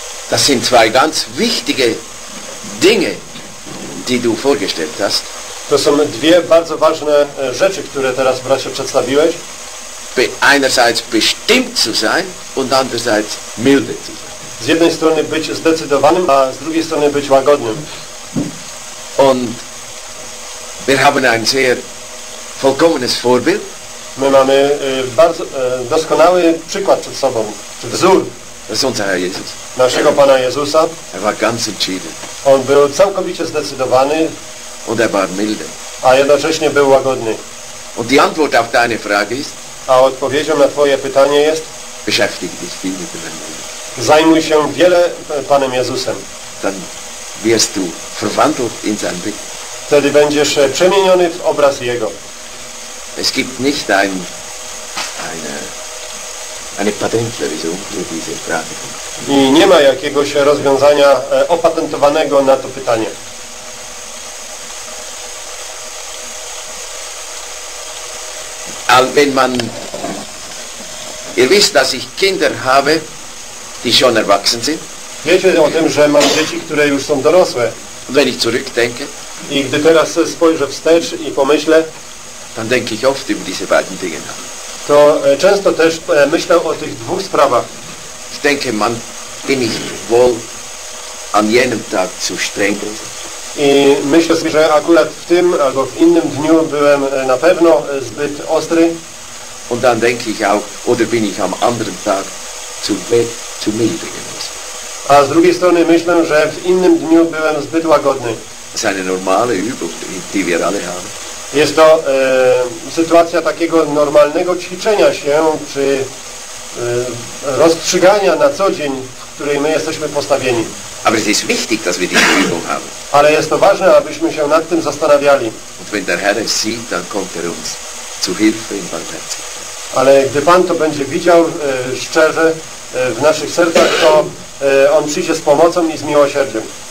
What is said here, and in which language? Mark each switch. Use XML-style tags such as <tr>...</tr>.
<de>Das sind zwei ganz wichtige Dinge, die du vorgestellt hast.</de> <pl>To są dwie bardzo ważne rzeczy, które teraz, bracie, przedstawiłeś.</pl> <de>Einerseits bestimmt zu sein und andererseits milde zu sein.</de> <pl>Z jednej strony być zdecydowanym, a z drugiej strony być łagodnym.</pl> <de>Und wir haben ein sehr vollkommenes Vorbild.</de> <pl>My mamy bardzo doskonały przykład przed sobą, czy wzór.</pl> <de>Das ist unser Herr Jesus.</de> <pl>Naszego Pana Jezusa.</pl> <de>Er war ganz entschieden.</de> <pl>On był całkowicie zdecydowany.</pl> <de>Und er war milde.</de> <pl>A jednocześnie był łagodny.</pl> <de>Und die Antwort auf deine Frage ist,</de> <pl>a odpowiedzią na twoje pytanie jest,</pl> <de>beschäftige dich viel mit dem Herrn.</de> <pl>Zajmuj się wiele Panem Jezusem.</pl> <de>Dann wirst du verwandelt in sein Bild.</de> <pl>Wtedy będziesz przemieniony w obraz Jego.</pl> <de>Es gibt nicht eine Patentlösung für diese Frage.</de> <pl>I nie ma jakiegoś rozwiązania opatentowanego na to pytanie.</pl> <de>Wenn man, ihr wisst, dass ich Kinder habe, die schon erwachsen sind.</de> <pl>Wiecie o tym, że mam dzieci, które już są dorosłe.</pl> <de>Und wenn ich zurückdenke,</de> <pl>i gdy teraz spojrzę wstecz i pomyślę,</pl> <de>dann denke ich oft über diese beiden Dinge nach.</de> <pl>To często też myślę o tych dwóch sprawach.</pl> <de>Ich denke, man, bin ich wohl an jenem Tag zu streng.</de> <pl>I myślę sobie, że akurat w tym albo w innym dniu byłem na pewno zbyt ostry.</pl> <de>Und dann denke ich auch, oder bin ich am anderen Tag zu mild gewesen.</de> <pl>A z drugiej strony myślę, że w innym dniu byłem zbyt łagodny.</pl> <de>Das ist eine normale Übung, die wir alle haben.</de> <pl>Jest to sytuacja takiego normalnego ćwiczenia się, czy rozstrzygania na co dzień, w której my jesteśmy postawieni.</pl> <de>Aber es ist wichtig, dass wir diese Übung haben.</de> <pl>Ale jest to ważne, abyśmy się nad tym zastanawiali.</pl> <de>Und wenn der Herr es sieht, dann kommt er uns zu Hilfe in Barmherzigkeit.</de> <pl>Ale gdy Pan to będzie widział szczerze w naszych sercach, to On przyjdzie z pomocą i z miłosierdziem.</pl>